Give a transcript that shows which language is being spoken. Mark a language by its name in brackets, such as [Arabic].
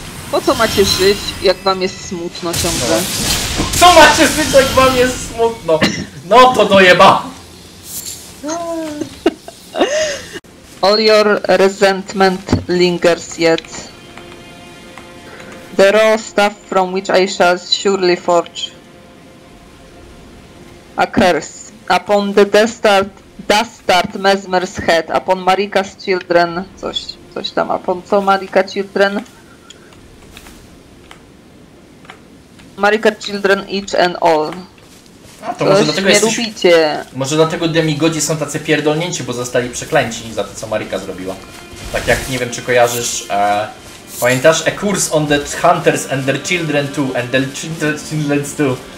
[Polish] Po co macie żyć, jak wam jest smutno ciągle? Co macie żyć, jak wam jest smutno? No to dojeba! [English] All your resentment lingers yet. The raw stuff from which I shall surely forge a curse upon the dastard Mesmer's head, upon Marika's children, [Polish] coś tam, [English] upon [Polish] co [English] Marika's children? Marika's children each and all. [Polish] A to może dlatego jesteś... lubicie. Może dlatego demigodzi są tacy pierdolnięci, bo zostali przeklęci za to, co Marika zrobiła. Tak jak, nie wiem, czy kojarzysz... pamiętasz? [English] A curse on the hunters and their children too, and their children's too.